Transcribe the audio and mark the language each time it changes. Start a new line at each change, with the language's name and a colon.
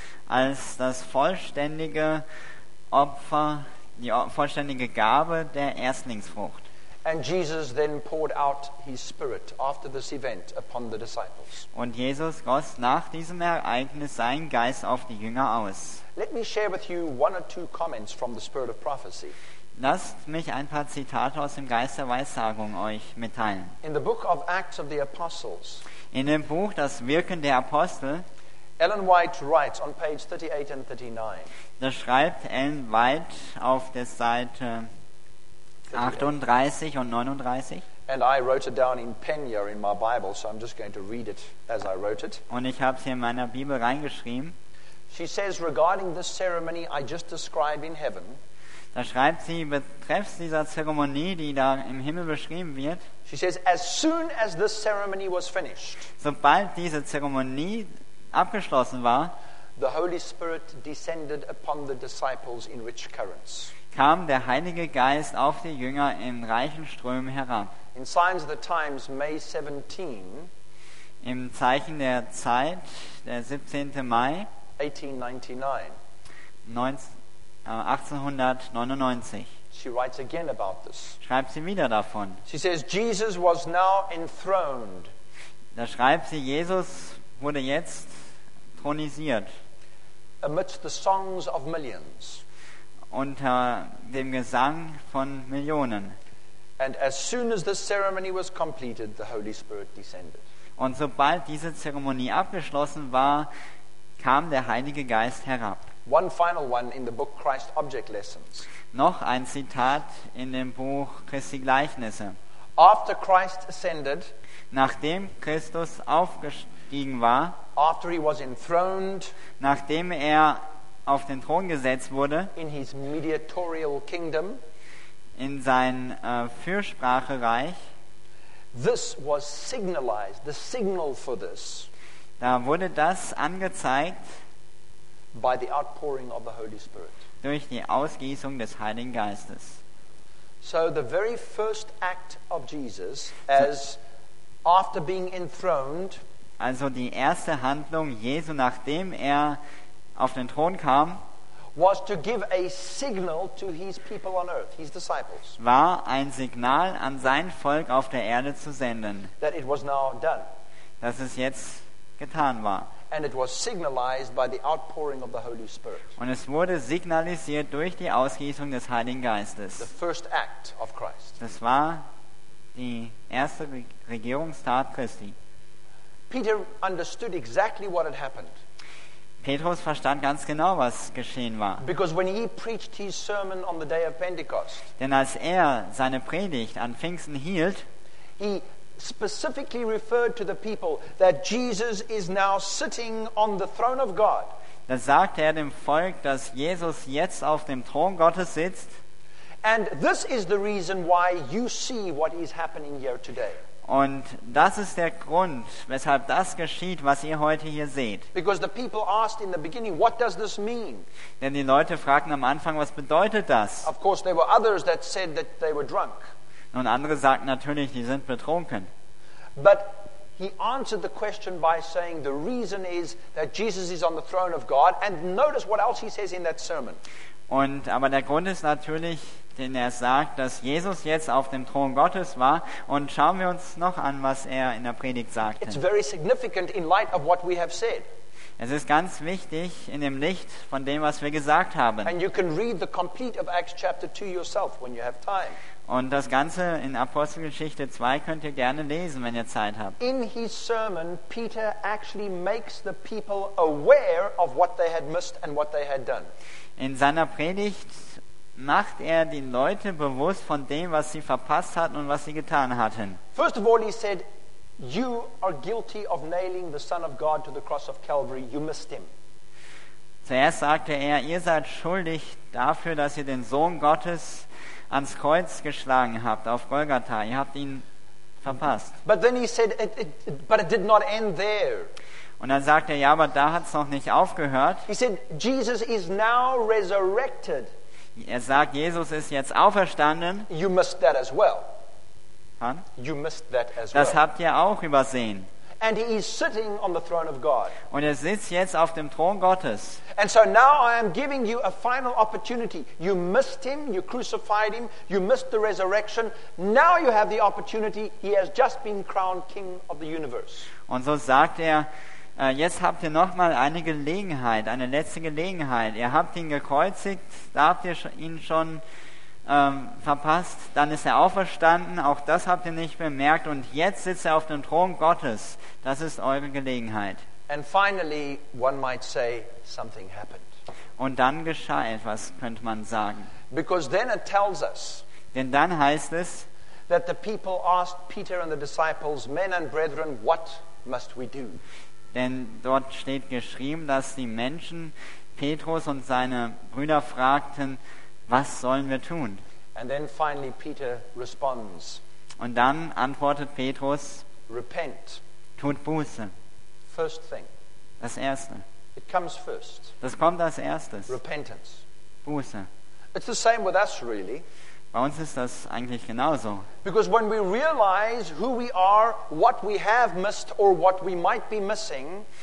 German: Als das vollständige Opfer, die vollständige Gabe der Erstlingsfrucht.
English: And Jesus then poured out his spirit after this event upon the disciples.
German: Und Jesus goss nach diesem Ereignis seinen Geist auf die Jünger aus.
English: Let me share with you one or two comments from the spirit of prophecy.
German: Lasst mich ein paar Zitate aus dem Geist der Weissagung euch mitteilen.
English: In the book of Acts of the Apostles.
German: In dem Buch das Wirken der Apostel.
English: Ellen White writes on page 38 and 39.
German: Da schreibt Ellen White auf der Seite 38 und 39.
English: And I wrote it down in Penya in my Bible, so I'm just going to read it as I wrote it.
German: Und ich habe es hier in meiner Bibel reingeschrieben.
English: She says regarding this ceremony I just described in heaven.
German: Da schreibt sie betreffs dieser Zeremonie, die da im Himmel beschrieben wird.
English: She says as soon as this ceremony was finished.
German: Sobald diese Zeremonie abgeschlossen war,
English: the Holy Spirit descended upon the disciples in rich currents.
German: Kam der Heilige Geist auf die Jünger in reichen Strömen herab.
English: In Signs of the Times, May 17,
German: im Zeichen der Zeit, der 17. Mai 1899,
English: she writes again about this.
German: Schreibt sie wieder davon.
English: She says, Jesus was now enthroned.
German: Da schreibt sie, Jesus wurde jetzt thronisiert.
English: Amidst the songs of millions.
German: Unter dem Gesang von Millionen.
English: And as soon as the ceremony was completed, the Holy Spirit descended.
German: Und sobald diese Zeremonie abgeschlossen war, kam der Heilige Geist herab.
English: One final one in the book Christ Object Lessons.
German: Noch ein Zitat in dem Buch Christi Gleichnisse.
English: After Christ ascended,
German: nachdem Christus aufgestiegen war,
English: after he was enthroned,
German: nachdem er auf den Thron gesetzt wurde,
English: in his mediatorial kingdom,
German: in sein Fürsprachereich,
English: this was signalized, the signal for this,
German: da wurde das angezeigt
English: by the outpouring of the Holy Spirit,
German: durch die Ausgießung des Heiligen Geistes.
English: So the very first act of Jesus as after being enthroned,
German: also die erste Handlung Jesu, nachdem er auf den Thron kam,
English: was to give a signal to his people on earth, his disciples,
German: war ein Signal an sein Volk auf der Erde zu senden,
English: that it was now done,
German: dass es jetzt getan war,
English: and it was signalized by the outpouring of the Holy Spirit,
German: und es wurde signalisiert durch die Ausgießung des Heiligen Geistes,
English: the first act of Christ.
German: Das war die erste Regierungstat Christi.
English: Peter understood exactly what had happened.
German: Petrus verstand ganz genau, was geschehen war.
English: Because when he preached his sermon on the day of Pentecost,
German: denn als er seine Predigt an Pfingsten hielt,
English: he specifically referred to the people that Jesus is now sitting on the throne of God.
German: Da sagte er dem Volk, dass Jesus jetzt auf dem Thron Gottes sitzt.
English: And this is the reason why you see what is happening here today.
German: Und das ist der Grund, weshalb das geschieht, was ihr heute hier seht.
English: Because the people asked in the beginning, what does this mean?
German: Denn die Leute fragten am Anfang, was bedeutet das?
English: Of course there were others that said that they were drunk.
German: Nun, andere sagten natürlich, die sind betrunken.
English: But he answered the question by saying the reason is that Jesus is on the throne of God, and notice what else he says in that sermon.
German: Und aber der Grund ist natürlich, denn er sagt, dass Jesus jetzt auf dem Thron Gottes war. Und schauen wir uns noch an, was er in der Predigt sagte.
English: It's very significant in light of what we have said.
German: Es ist ganz wichtig in dem Licht von dem, was wir gesagt haben.
English: And you can read the complete of Acts chapter 2 yourself when you have time.
German: Und das Ganze in Apostelgeschichte 2 könnt ihr gerne lesen, wenn ihr Zeit habt.
English: In his sermon, Peter actually makes the people aware of what they had missed and what they had done.
German: In seiner Predigt macht er die Leute bewusst von dem, was sie verpasst hatten und was sie getan hatten.
English: First of all, he said, you are guilty of nailing the Son of God to the cross of Calvary. You missed him.
German: Zuerst sagte er, ihr seid schuldig dafür, dass ihr den Sohn Gottes ans Kreuz geschlagen habt, auf Golgatha. Ihr habt ihn verpasst.
English: But then he said, but it did not end there.
German: Und dann sagt er, ja, aber da hat es noch nicht aufgehört.
English: He said, Jesus is now resurrected.
German: Er sagt, Jesus ist jetzt auferstanden.
English: You missed that as well. Han? You missed that as well.
German: Das habt ihr auch übersehen.
English: And he is sitting on the throne of God.
German: Und er sitzt jetzt auf dem Thron Gottes.
English: And so now I am giving you a final opportunity. You missed him, you crucified him, you missed the resurrection. Now you have the opportunity. He has just been crowned King of the universe.
German: Und so sagt er, jetzt habt ihr nochmal eine Gelegenheit, eine letzte Gelegenheit. Ihr habt ihn gekreuzigt, da habt ihr ihn schon verpasst, dann ist er auferstanden, auch das habt ihr nicht bemerkt, und jetzt sitzt er auf dem Thron Gottes. Das ist eure Gelegenheit.
English: And finally, one might say, something happened.
German: Und dann geschah etwas, könnte man sagen.
English: Because then it tells us,
German: denn dann heißt es,
English: that the people asked Peter and the disciples, men and brethren, what must we do?
German: Denn dort steht geschrieben, dass die Menschen Petrus und seine Brüder fragten, was sollen wir tun?
English: And then finally Peter responds,
German: und dann antwortet Petrus,
English: repent.
German: Tut Buße.
English: First thing.
German: Das Erste.
English: It comes first.
German: Das kommt als Erstes.
English: Repentance.
German: Buße.
English: It's the same with us, really.
German: Bei uns ist das eigentlich genauso.
English: Because when we realize who we are, what we have missed or what we might be missing,